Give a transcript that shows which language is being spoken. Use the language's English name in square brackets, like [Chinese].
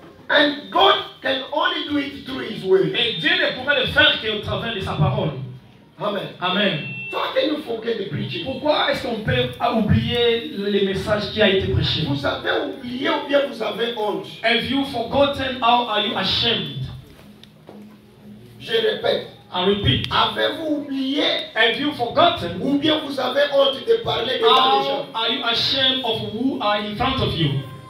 [English] And God can only do it through His way. [French] Et Dieu ne pourrait le faire qu'au travers de sa parole. Amen. Amen. [English] Why can you forget the preaching? [French] Pourquoi est-ce qu'on peut oublier les messages qui a été prêché? Vous avez oublié ou bien vous avez honte? [English] Have you forgotten or are you ashamed? [French] Je répète. [English] I repeat. [French] Avez-vous oublié? [English] Have you forgotten? [French] Ou bien vous avez honte de parler de [English] how [French] la religion? [English] Are you ashamed of who are in front of you?